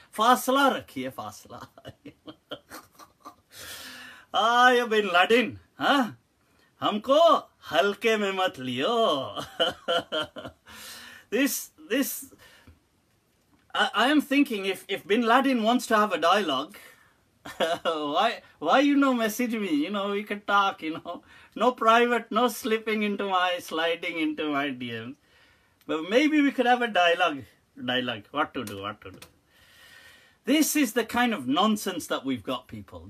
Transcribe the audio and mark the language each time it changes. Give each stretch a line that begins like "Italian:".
Hindi: फ़ासला रखिए, फ़ासला।
English: Ah, you Bin Laden, huh?
Hindi: हमको हल्के में मत लियो।
English: This. I am thinking if Bin Laden wants to have a dialogue, why you no message me? You know, we can talk, you know. No private, no slipping into my, sliding into my DMs. But maybe we could have a dialogue. What to do? This is the kind of nonsense that we've got, people.